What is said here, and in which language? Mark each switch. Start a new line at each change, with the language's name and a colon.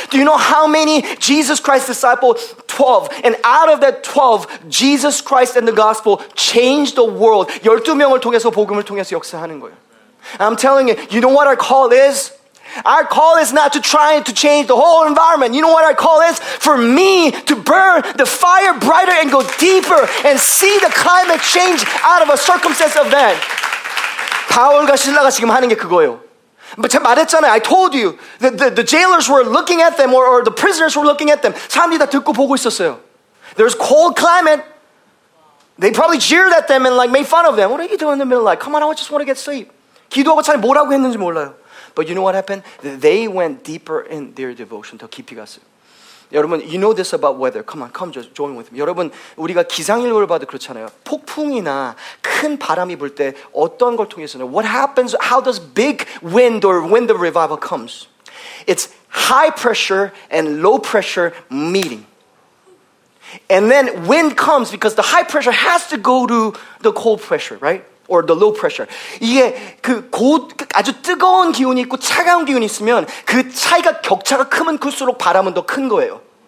English: Do you know how many Jesus Christ disciples? 12. And out of that 12, Jesus Christ and the gospel changed the world.
Korean: 12명을 통해서 복음을 통해서 역사하는 거예요.
English: I'm telling you, you know what our call is? Our call is not to try to change the whole environment. You know what our call is? For me to burn the fire brighter and go deeper and see the climate change out of a circumstance of that.
Korean: 바울과 실라가 지금 하는 게 그거예요. 제가 말했잖아요.
English: I told you. The jailers were looking at them or the prisoners were looking at them.
Korean: 사람들이 다 듣고 보고 있었어요.
English: There's cold climate. They probably jeered at them and like made fun of them. What are you doing in the middle of life? Come on, I just want to get sleep.
Korean: 기도하고 차라리 뭐라고 했는지 몰라요.
English: But you know what happened? They went deeper in their devotion.
Korean: 더 깊이 갔어요.
English: 여러분, you know this about weather. Come on, come just join with me.
Korean: 여러분, 우리가 기상예보를 봐도 그렇잖아요. 폭풍이나 큰 바람이 불 때 어떤 걸 통해서는
English: what happens, how does big wind or when the revival comes? It's high pressure and low pressure meeting. And then wind comes because the high pressure has to go to the cold pressure, right? Or the low pressure.
Korean: 이게 그 아주 뜨거운 기운이 있고 차가운 기운이 있으면 그 차이가 격차가 크면 클수록 바람은 더 큰 거예요.